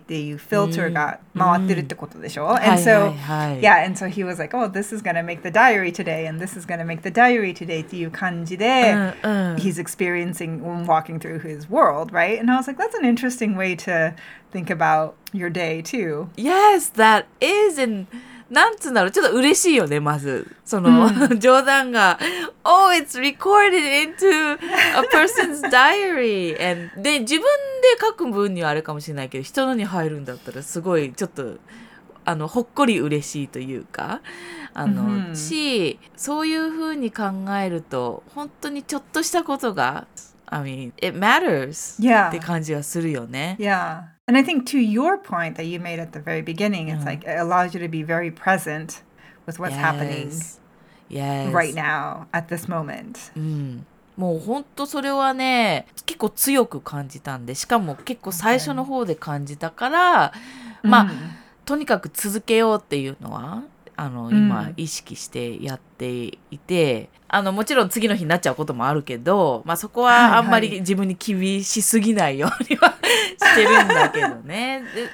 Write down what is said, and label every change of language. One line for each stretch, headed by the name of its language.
Japanese: っていうフィルターが回ってるってことでしょ?
English: And so, yeah, and so he was like, oh, this is going to make the diary today, and this is going to make the diary today
Japanese: っていう感じで、
English: he's experiencing walking through his world, right? And I was like, that's an interesting way to think about your day too. Yes, that is an...
Japanese: なんつうんだろう、ちょっと嬉しいよね、まず。その、冗談が。
English: Oh, it's recorded into a person's diary.
Japanese: And, で、自分で書く分にはあれかもしれないけど、人のに入るんだったら、すごい、ちょっと、ほっこり嬉しいというか。し、そういうふうに考えると、本当にちょっとしたことが、
English: I mean, it matters. Yeah.
Japanese: って感じがするよね。
English: Yeah. And I think to your point that you made at the very beginning, it's like it allows you to be very present with what's happening right now at this moment.
Japanese: もう本当それはね、結構強く感じたんで、しかも結構最初の方で感じたから、まあ、とにかく続けようっていうのは、今意識してやっていて、もちろん次の日になっちゃうこともあるけど、まあそこはあんまり自分に厳しすぎないようにはしてるんだけどね。